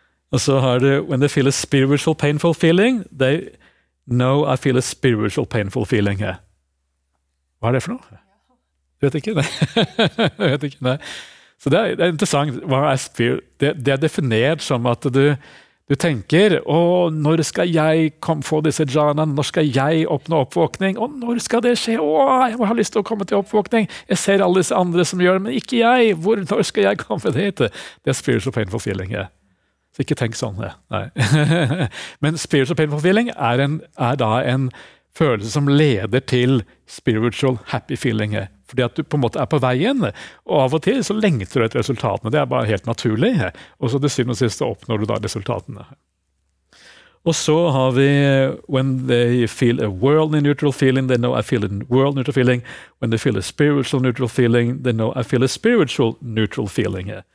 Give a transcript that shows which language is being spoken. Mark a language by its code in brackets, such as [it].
[no] Og så har du, [en] when they feel a spiritual painful feeling, they know I feel a spiritual painful feeling her. [no] Hva det for noe? Jeg vet ikke det. Så det er interessant, det er definert som at du tenker, når skal jeg få disse jhanaene, når skal jeg oppnå oppvåkning, når skal det skje, jeg har lyst til å komme til oppvåkning, jeg ser alle disse andre som gjør det, men ikke jeg, når skal jeg komme dit? Det [en] spiritual painful feeling, [no] ja. Så ikke tenk sånn, ja. Nei. Men [en] spiritual painful feeling [no] er da en følelse som leder til [en] spiritual happy feeling, [no] ja. Fordi at du på en måte er på veien, og av og til så lengter du etter resultatene. Det er bare helt naturlig. Og så til syvende og siste oppnår du da resultatene. Og så har vi [en] when they feel a worldly neutral feeling, they know I feel a world neutral feeling. When they feel a spiritual neutral feeling, they know I feel a spiritual neutral feeling.